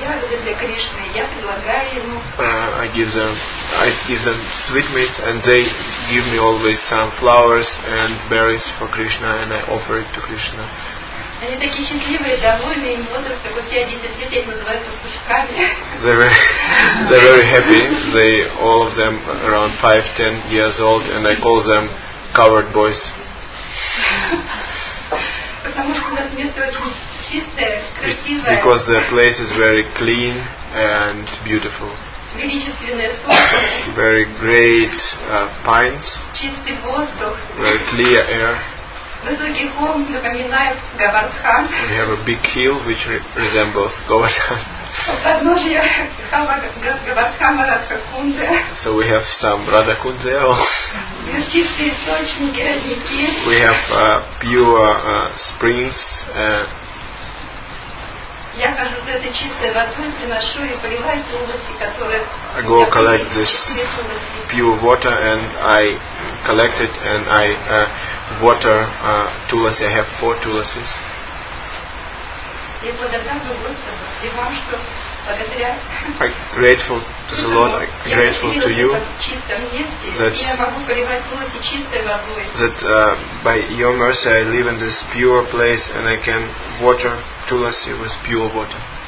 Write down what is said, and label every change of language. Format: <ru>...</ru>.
<en>I give them sweetmeats and they give me always some flowers and berries for Krishna and I offer it to Krishna.</en> <ru>Они такие счастливые, довольные, им возраст, как у тебя 10 лет, их называют пастушками.</ru> <en>They're very happy. They all of them around 5-10 years old and I call them covered boys.</en> <ru>Потому что у нас место очень чистое, красивое.</ru> <en>Because the place is very clean and beautiful.</en> <ru>Величественные сосны.</ru> <en>Very great pines.</en> <ru>Чистый воздух.</ru> <en>Very clear air.</en> <ru>Высокий холм напоминает Говардхан.</ru> <en>We have a big hill which resembles Говардхан.</en> <ru>Подножие холма Говардхана Радхакунды.</ru> <en>So we have some Радхакунды.</en> <ru>Чистые источники, родники.</ru> <en>We have pure springs.</en> <ru>Я хожу с этой чистой водой, приношу и поливаю те области, которые...</ru> <en>I go collect this pure water and I collect it and I water tulasi. I have four tulasis. I'm grateful to the Lord, I'm grateful to you that by your mercy I live in this pure place and I can water tulasi with pure water.</en>